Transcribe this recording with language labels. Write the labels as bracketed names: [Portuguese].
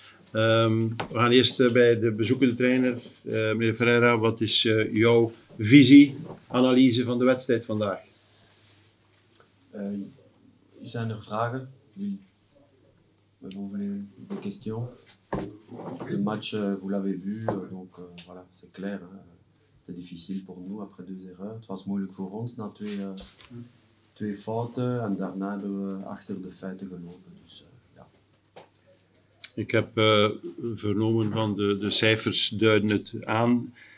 [Dutch] We gaan eerst bij de bezoekende trainer. Meneer Ferreira, wat is jouw visie, analyse van de wedstrijd vandaag? Zijn er vragen? Bijvoorbeeld een question. [French] Le match, vous l'avez vu, donc voilà, c'est clair. C'était difficile pour nous après deux erreurs. [Dutch] Het was moeilijk voor ons na twee fouten en daarna hebben we achter de feiten gelopen. Dus, ja. Ik heb vernomen van de cijfers duiden het aan.